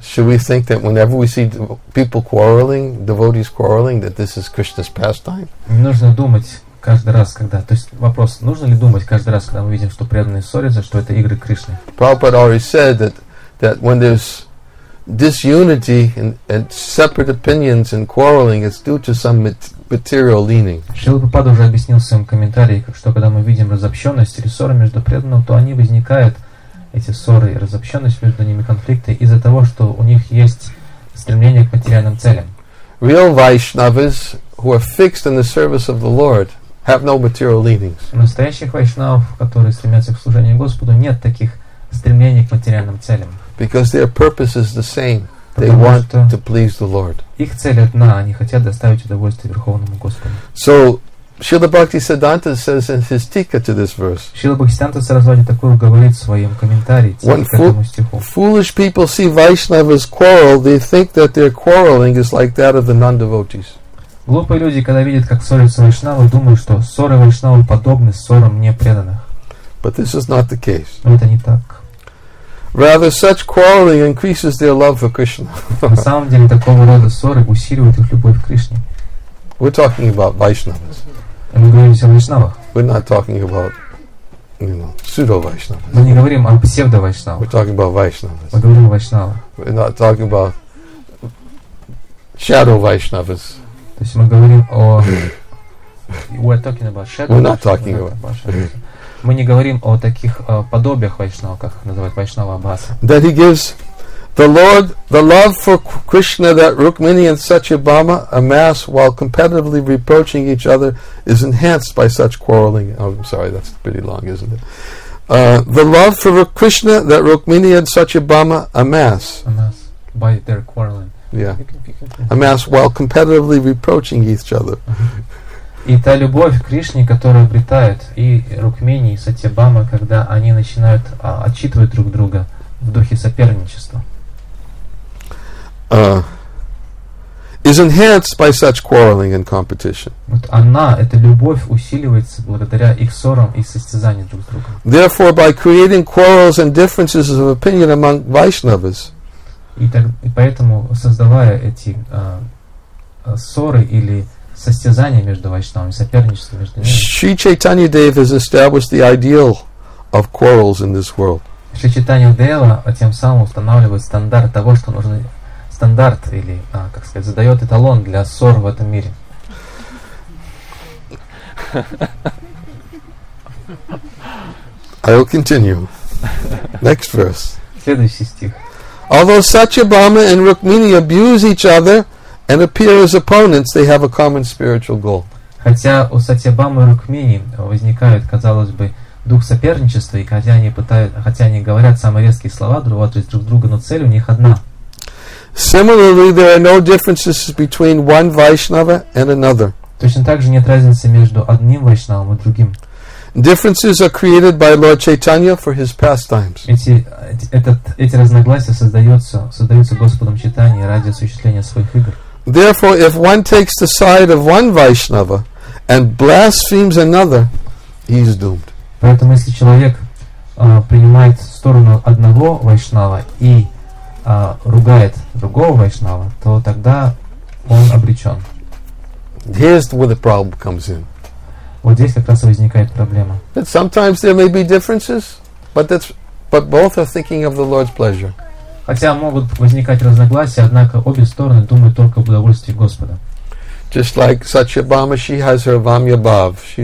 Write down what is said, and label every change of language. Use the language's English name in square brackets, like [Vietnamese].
[English] Should we think that whenever we see people quarreling, devotees quarreling, that this is Krishna's pastime? [Russian] Нужно думать каждый раз, когда, то есть вопрос, нужно ли думать каждый раз, когда мы видим, что преданные ссорятся, что это игры Кришны? [English] Prabhupada already said that when there's disunity and separate opinions and quarreling, it's due to some material leaning. [Russian] Шрила Прабхупада уже объяснил в своем комментарии, что когда мы видим разобщенность или ссоры между преданными, то они возникают. Эти ссоры и разобщенность между ними, конфликты из-за того, что у них есть стремление к материальным целям. [English] Real Vaishnavas, who are fixed in the service of the Lord, have no material leanings. [Russian] Настоящих вайшнав, которые стремятся к служению Господу, нет таких стремлений к материальным целям. [English] Because their purpose is the same. They want to please the Lord. [Russian] Их цель одна, они хотят доставить удовольствие Верховному Господу. [English] So, Śrīla Bhaktisiddhānta says in his tika to this verse. [Russian] Śrīla Bhaktisiddhānta Sarasvati такую говорит в своем комментарии к этому стиху. [English] Foolish people see Vaishnavas quarrel, they think that their quarreling is like that of the non-devotees. [Russian] Глупые люди, когда видят, как ссорятся вайшнавы, думают, что ссоры вайшнавы подобны ссорам непреданных. [English] But this is not the case. [Russian] Но это не так. [English] Rather, such quarreling increases their love for Krishna. [Russian] На самом деле такого рода ссоры усиливают их любовь к Кришне. [English] We're talking about Vaishnavas. [Russian] Мы говорим о вайшнавах. [English] We're not talking about, you know, pseudo Vaishnavas. [Russian] Мы не говорим о псевдо вайшнавах. [English] We're talking about Vaishnavas. [Russian] Мы говорим о вайшнавах. [English] We're not talking about shadow Vaishnavas. [Russian] То есть мы говорим о. [English] We're talking about shadow. We're not talking about. [Russian] Мы не говорим о таких подобиях вайшнавах, как называют вайшнава абхаса. [English] That he gives. The Lord, the love for Krishna that Rukmini and Satyabhama amass while competitively reproaching each other is enhanced by such quarreling. Oh, I'm sorry, that's pretty long, isn't it? The love for Krishna that Rukmini and Satyabhama amass. Amass by their quarreling. Yeah. Amass while competitively reproaching each other. [Russian] И та любовь к Кришне, которую обретают и Рукмини, и Сатьябама, когда они начинают отчитывать друг друга в духе соперничества. [English] Is enhanced by such quarreling and competition. [Russian] Вот она, эта любовь, усиливается благодаря их ссорам и состязаниям друг с другом. [English] Therefore, by creating quarrels and differences of opinion among Vaishnavas. [Russian] И поэтому, создавая эти ссоры или состязания между вайшнавами, соперничество между ними. [English] Шри Чайтанья Дева has established the ideal of quarrels in this world. [Russian] Шри Чайтанья Дева тем самым устанавливает стандарт того, что нужно. Стандарт или, как сказать, задает эталон для ссор в этом мире. [English] I will continue. Next verse. [Russian] Следующий стих. [English] Although Satyabhama and Rukmini abuse each other and appear as opponents, they have a common spiritual goal. [Russian] Хотя у Сатьябхамы и Рукмини возникает, казалось бы, дух соперничества, и хотя они говорят самые резкие слова друг в адрес друг друга, но цель у них одна. [English] Similarly, there are no differences between one Vaishnava and another. [Russian] Точно так же нет разницы между одним Вайшнавом и другим. [English] Differences are created by Lord Chaitanya for his pastimes. [Russian] Эти разногласия создаются Господом Чайтаньей ради осуществления своих игр. [English] Therefore, if one takes the side of one Vaishnava and blasphemes another, he is doomed. [Russian] Поэтому если человек принимает сторону одного Вайшнава и ругает другого вайшнава, то тогда он обречен. [English] Here's where the problem comes in. [Russian] Вот здесь как раз и возникает проблема. [English] That sometimes there may be differences, but both are thinking of the Lord's pleasure. [Russian] Хотя могут возникать разногласия, однако обе стороны думают только об удовольствии Господа. [English] Just like Satyabhama, she has her vamya bhav.